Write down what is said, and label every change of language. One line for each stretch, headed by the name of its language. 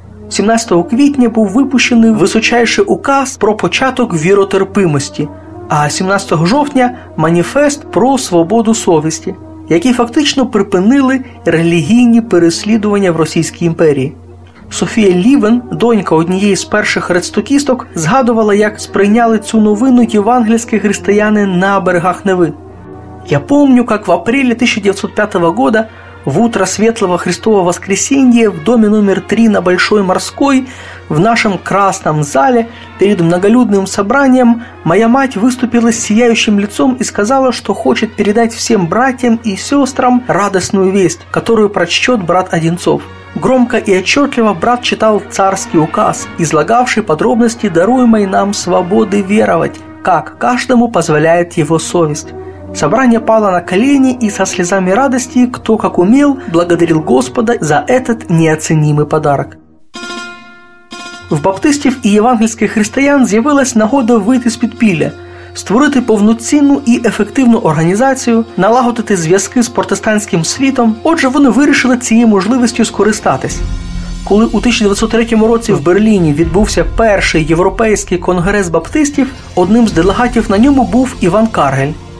Ukrainian: 17 квітня був випущений височайший указ про початок віротерпимості, а 17 жовтня – маніфест про свободу совісті, які фактично припинили релігійні переслідування в Російській імперії. Софія Лівен, донька однієї з перших рецтокісток, згадувала, як сприйняли цю новину євангельські християни на берегах Неви.
Russian: «Я помню, як в апрелі 1905 года в утро светлого Христового воскресенья в доме номер 3 на Большой Морской в нашем красном зале перед многолюдным собранием моя мать выступила с сияющим лицом и сказала, что хочет передать всем братьям и сестрам радостную весть, которую прочтет брат Одинцов. Громко и отчетливо брат читал царский указ, излагавший подробности даруемой нам свободы веровать, как каждому позволяет его совесть». Собрание пало на колени, и со слезами радости, кто как умел, благодарил Господа за этот неоценимый подарок.
Ukrainian: В баптистів і євангельських християн з'явилась нагода вийти з підпілля, створити повноцінну і ефективну організацію, налагодити зв'язки з протестантським світом, отже вони вирішили цією можливістю скористатись. Коли у 1903 році в Берліні відбувся перший європейський конгрес баптистів, одним з делегатів на ньому був Іван Каргель.